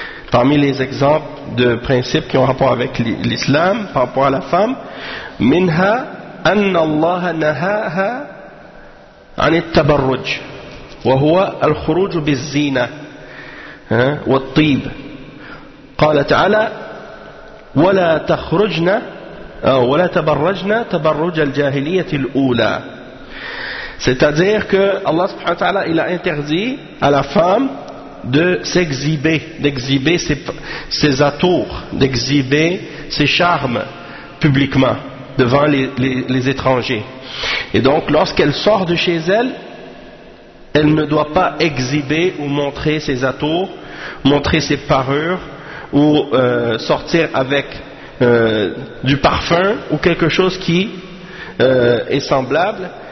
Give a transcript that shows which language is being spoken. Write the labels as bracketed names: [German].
[French] parmi les exemples de principes qui ont rapport avec l'islam par rapport à la femme, [Arabic] منها أن الله نهاها عن التبرج وهو الخروج بالزينة والطيب. قال تعالى ولا تخرجنا ولا تبرجنا تبرج الجاهلية الأولى. [French] C'est-à-dire que Allah subhanahu wa ta'ala, il a interdit à la femme de s'exhiber, d'exhiber ses atours, d'exhiber ses charmes publiquement devant les étrangers. Et donc, lorsqu'elle sort de chez elle, elle ne doit pas exhiber ou montrer ses atours, montrer ses parures, ou sortir avec du parfum ou quelque chose qui est semblable.